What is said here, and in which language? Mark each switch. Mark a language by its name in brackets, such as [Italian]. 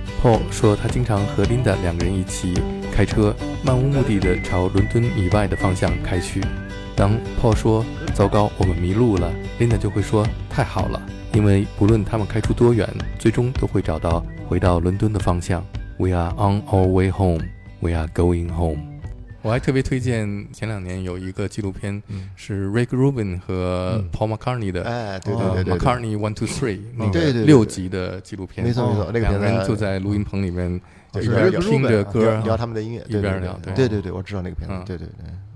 [Chinese] Paul 说他经常和 Linda 两个人一起开车漫无目的地朝伦敦以外的方向开去，当 Paul 说糟糕我们迷路了， Linda 就会说太好了，因为不论他们开出多远最终都会找到回到伦敦的方向。 [English] We are on our way home, we are going home。 [Chinese] 我还特别推荐前两年有一个纪录片是 Rick Rubin 和 Paul McCartney 的、McCartney 123、那个六集的纪录片，没错没错，那个两人就在录音棚里面一边听着歌、聊他们的音乐一边聊，对对对，我知道那个片子、对对对，